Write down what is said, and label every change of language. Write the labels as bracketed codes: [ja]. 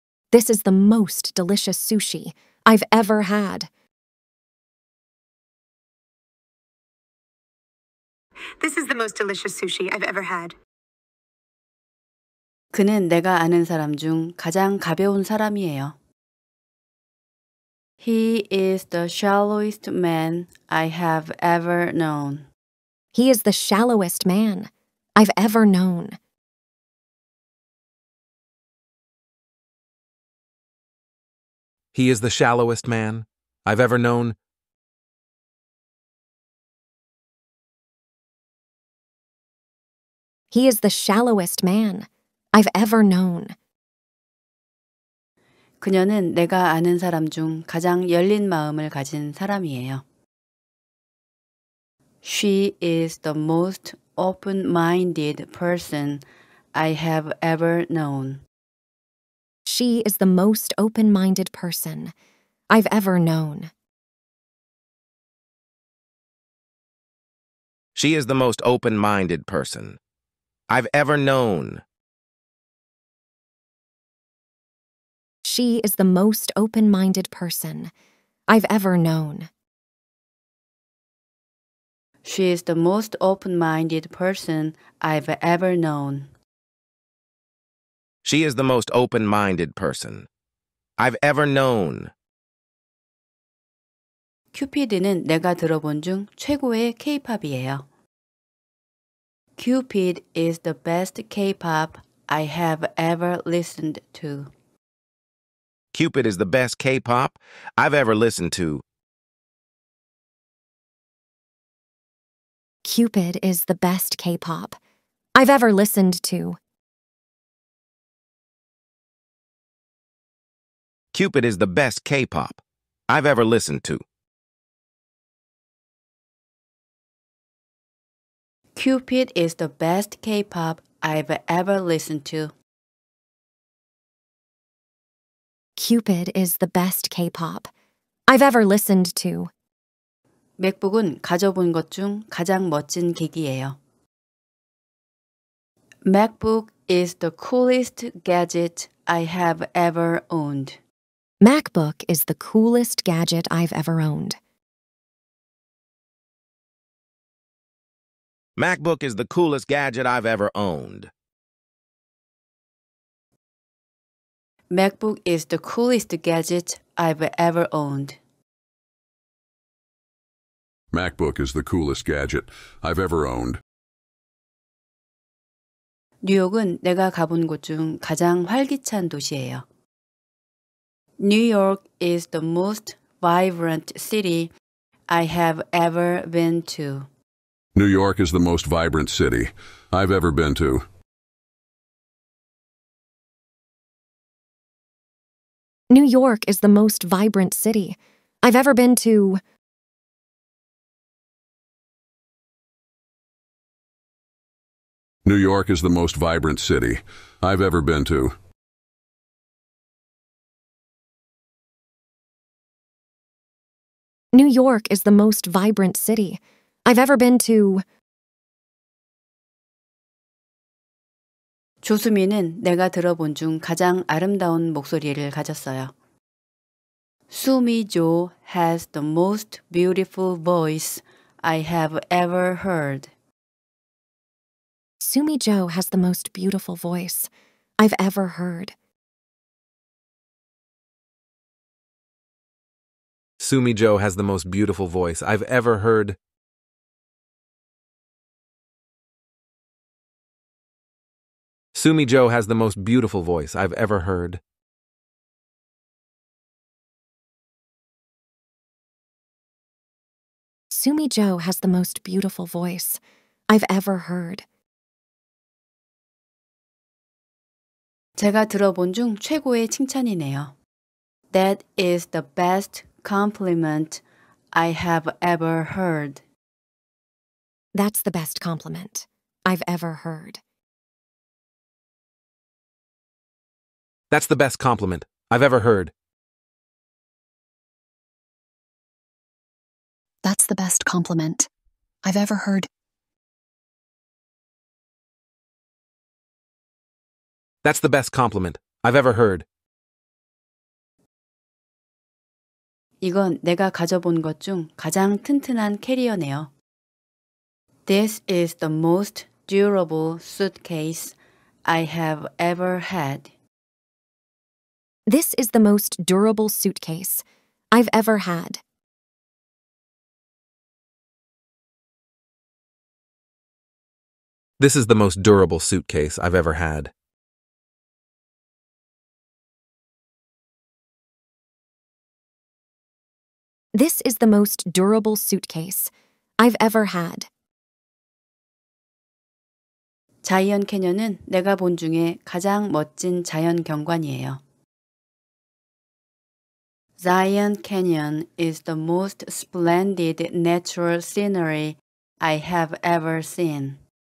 [en] This is the most delicious sushi I've ever had. This is the most delicious sushi I've ever had. [ko] 그는 내가 아는 사람 중 가장 가벼운 사람이에요. [en] He is the shallowest man I have ever known. He is the shallowest man I've ever known. He is the shallowest man I've ever known. He is the shallowest man I've ever known. [ko] 그녀는 내가 아는 사람 중 가장 열린 마음을 가진 사람이에요. [en] She is the most open-minded person I have ever known. She is the most open-minded person I've ever known. She is the most open-minded person I've ever known. She is the most open-minded person I've ever known. She is the most open-minded person I've ever known. She is the most open-minded person I've ever known. [ko] 큐피드는 내가 들어본 중 최고의 K-pop이에요. [en] Cupid is the best K-pop I have ever listened to. Cupid is the best K-pop I've ever listened to. Cupid is the best K-pop I've ever listened to. Cupid is the best K-pop I've ever listened to. Cupid is the best K-pop I've ever listened to. Cupid is the best K-pop I've ever listened to. [ko] 맥북은 가져본 것 중 가장 멋진 기기예요. [en] MacBook is the coolest gadget I have ever owned. MacBook is the coolest gadget I've ever owned. MacBook is the coolest gadget I've ever owned. MacBook is the coolest gadget I've ever owned. MacBook is the coolest gadget I've ever owned. [ko] 뉴욕은 내가 가본 곳 중 가장 활기찬 도시예요. [en] New York is the most vibrant city I have ever been to. New York is the most vibrant city I've ever been to. New York is the most vibrant city I've ever been to. New York is the most vibrant city I've ever been to. New York is the most vibrant city I've ever been to. [ko] 조수미는 내가 들어본 중 가장 아름다운 목소리를 가졌어요. [en] Sumi Jo has the most beautiful voice I have ever heard. Sumi Jo has the most beautiful voice I've ever heard. Sumi Jo has the most beautiful voice I've ever heard. Sumi Jo has the most beautiful voice I've ever heard. Sumi Jo has the most beautiful voice I've ever heard. [ko] 제가 들어본 중 최고의 칭찬이네요. [en] That is the best compliment I have ever heard. That's the best compliment I've ever heard. That's the best compliment I've ever heard. That's the best compliment I've ever heard. That's the best compliment I've ever heard. [ko] 이건 내가 가져본 것 중 가장 튼튼한 캐리어네요. [en] This is the most durable suitcase I have ever had. This is the most durable suitcase I've ever had. This is the most durable suitcase I've ever had. This is the most durable suitcase I've ever had. [ko] 자이언 캐년은 내가 본 중에 가장 멋진 자연 경관이에요. [en] Zion Canyon is the most splendid natural scenery I have ever seen.